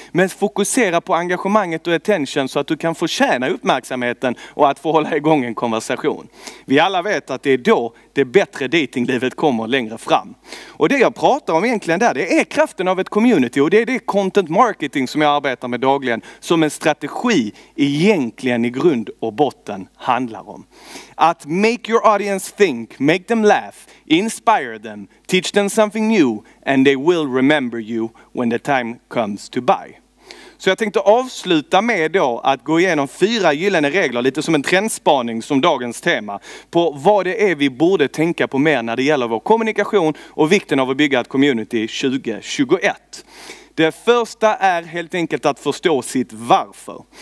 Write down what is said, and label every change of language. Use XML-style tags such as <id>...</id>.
<sv>Men fokusera på engagemanget och attention så att du kan förtjäna uppmärksamheten och att få hålla igång en konversation. Vi alla vet att det är då det bättre datinglivet kommer längre fram. Och det jag pratar om egentligen där, det är kraften av ett community och det är det content marketing som jag arbetar med dagligen som en strategi egentligen i grund och botten handlar om.</sv> <en>Att make your audience think, make them laugh, inspire them, teach them something new and they will remember you when the time comes to buy.</en> <sv>Så jag tänkte avsluta med då att gå igenom 4 gyllene regler, lite som en trendspaning som dagens tema, på vad det är vi borde tänka på mer när det gäller vår kommunikation och vikten av att bygga ett community 2021. Det första är helt enkelt att förstå sitt varför.</sv>